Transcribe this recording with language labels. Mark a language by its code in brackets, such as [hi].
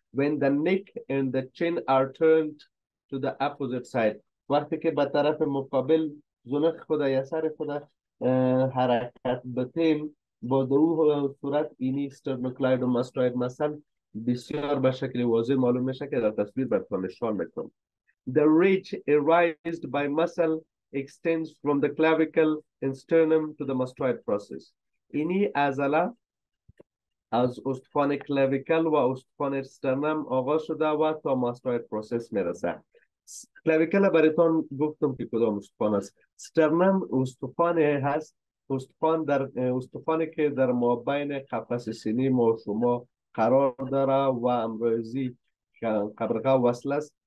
[en] When the neck and the chin are turned to the opposite side، [fa] وقتی که به طرف مقابل زنخ خود یا سر خود حرکت بتیم، با دو صورت اینی sternocleidomastoid مثلا بسیار به شکل واضح معلوم میشه که در تصویر براتون نشان میکنم. [en] The ridge arised by muscle extends from the clavicle and sternum to the mastoid process. [fa] اینی عضله از استخوان کلاویکل و استخوان استرنم آغاز شده و تا mastoid process میرسه. کلاویکل براتون گفتم که کدام استخوان است. استرنم استخوان هست، استخوان در استخوانی که در مابین قفس سینی ما شما قرار داره و امروزی قبرقه وصل است.